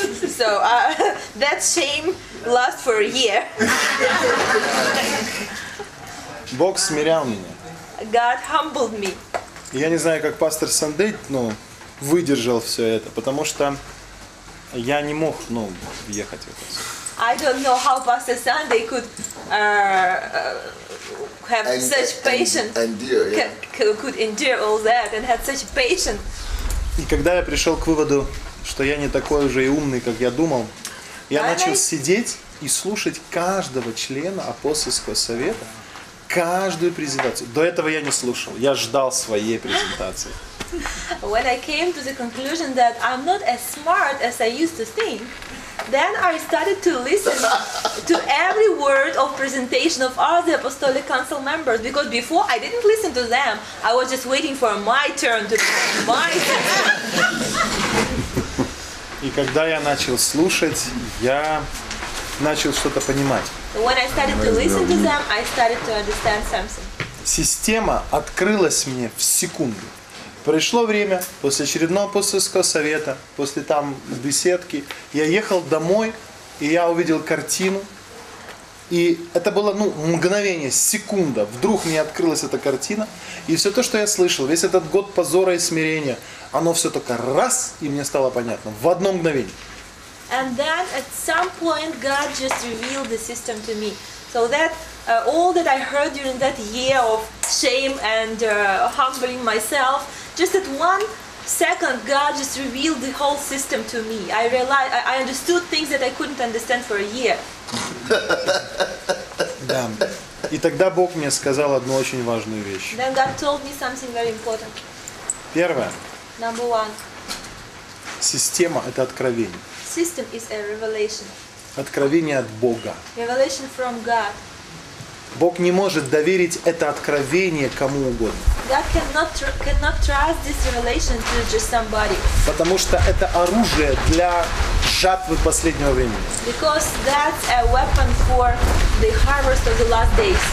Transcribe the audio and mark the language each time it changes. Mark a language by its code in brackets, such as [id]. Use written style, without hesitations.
[en] So that shame lasted for a year. [ru] Бог смирял меня. [en] God humbled me. [ru] Я не знаю, как пастор Сандей, ну, выдержал все это, потому что я не мог, ну, въехать в это. [en] I don't know how Pastor Sunday could have and, such patience, could endure all that, and had such patience. [ru] И когда я пришел к выводу, что я не такой уже и умный, как я думал, я начал сидеть и слушать каждого члена апостольского совета, каждую презентацию. До этого я не слушал, я ждал своей презентации. [en] When I came to the conclusion that I'm not as smart as I used to think. Then I started to listen to every word of presentation of all the Apostolic Council members, because before I didn't listen to them. I was just waiting for my turn to my turn. [ru] И когда я начал слушать, я начал что-то понимать. [en] When I started to listen to them, I started to understand something. [ru] Система открылась мне в секунду. Пришло время, после очередного апостольского совета, после там беседки, я ехал домой, и я увидел картину. И это было, ну, мгновение, секунда, вдруг мне открылась эта картина. И все то, что я слышал, весь этот год позора и смирения, оно все только раз, и мне стало понятно, в одно мгновение. [en] And then at some point God just revealed the system to me. So that all that I heard during that year of shame and humbling myself, just at one second, God just revealed the whole system to me. I realized, I understood things that I couldn't understand for a year. [ru] Да. И тогда Бог мне сказал одну очень важную вещь. [en] Then God told me something very important. [ru] Первое. [en] Number one. [ru] Система – это откровение. [en] System is a revelation. [ru] Откровение от Бога. [en] Revelation from God. [ru] Бог не может доверить это откровение кому угодно. [en] God cannot trust this revelation to just somebody. [ru] Потому что это оружие для жатвы последнего времени. [en] Because that's a weapon for the harvest of the last days.